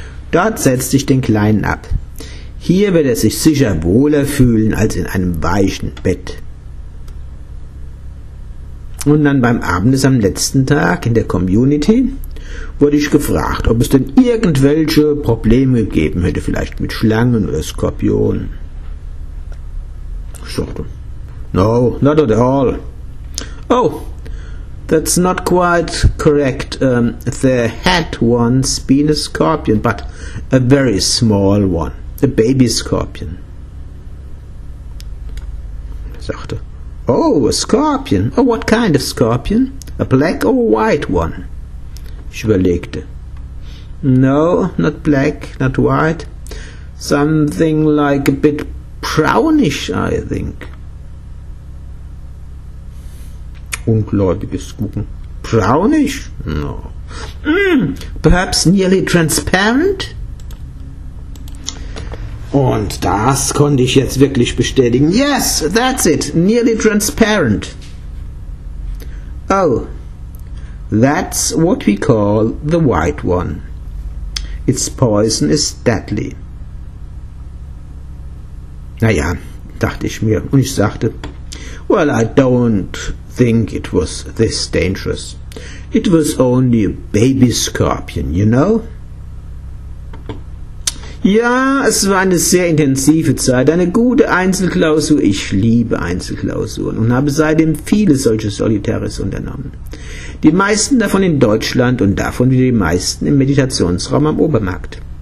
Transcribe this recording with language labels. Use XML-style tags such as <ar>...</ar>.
<de>Dort setzte ich den Kleinen ab. Hier wird er sich sicher wohler fühlen als in einem weichen Bett. Und dann beim Abendessen am letzten Tag in der Community wurde ich gefragt, ob es denn irgendwelche Probleme gegeben hätte, vielleicht mit Schlangen oder Skorpionen. Ich sagte,</de> <en>no, not at all. Oh, that's not quite correct. There had once been a scorpion, but a very small one, a baby scorpion.</en> <de>Ich sagte,</de> <en>oh, a scorpion. Oh, what kind of scorpion? A black or white one?</en> <de>Ich überlegte.</de> <en>No, not black, not white. Something like a bit brownish, I think.</en> <de>Ungläubiges Gucken.</de> <en>Brownish? No. Perhaps nearly transparent?</en> <de>Und das konnte ich jetzt wirklich bestätigen.</de> <en>Yes, that's it. Nearly transparent. Oh, that's what we call the white one. Its poison is deadly.</en> <de>Naja, dachte ich mir. Und ich sagte,</de> <en>well, I don't think it was this dangerous. It was only a baby scorpion, you know?</en> <de>Ja, es war eine sehr intensive Zeit, eine gute Einzelklausur. Ich liebe Einzelklausuren und habe seitdem viele solche Solitäres unternommen. Die meisten davon in Deutschland und davon wie die meisten im Meditationsraum am Obermarkt.</de>